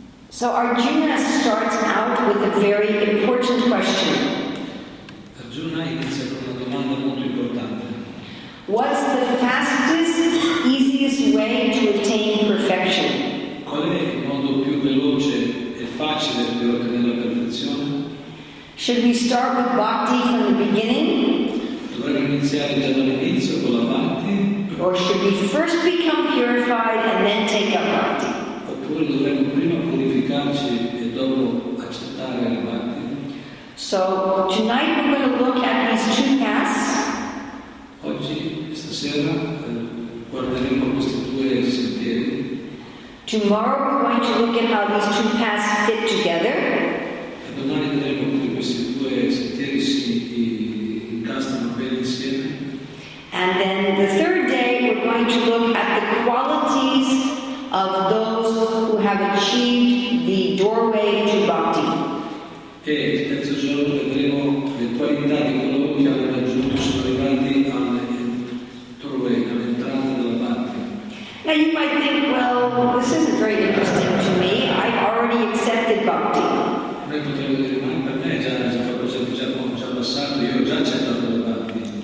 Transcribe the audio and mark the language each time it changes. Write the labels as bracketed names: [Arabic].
[English] So Arjuna starts out with a very important question. [Italian] Arjuna inizia con una domanda molto importante. [English] What's the fastest, easiest way to attain perfection? [Italian] Qual è il modo più veloce e facile per ottenere la perfezione? [English] Should we start with bhakti from the beginning? [Italian] Dovremmo iniziare già dall'inizio con la bhakti? [English] Or should we first become purified and then take up bhakti? [Italian] Oppure dovremmo prima purificarci e dopo accettare la bhakti? [English] So tonight we're going to look at these two paths. [Italian] Oggi, stasera, guarderemo questi due sentieri. [English] Tomorrow we're going to look at how these two paths fit together. [Italian] E domani vedremo come questi due sentieri si incastrano bene insieme. [English] And then the third day we're going to look at the qualities of those who have achieved the doorway to bhakti. [Italian] E il terzo giorno vedremo le qualità di coloro che hanno raggiunto, sono arrivati al doorway, all'entrata della bhakti. [English] Now you might think, well, this isn't very interesting to me. I've already accepted bhakti. [Italian] Noi potremmo dire, ma per me già già passato, io ho già accettato la bhakti.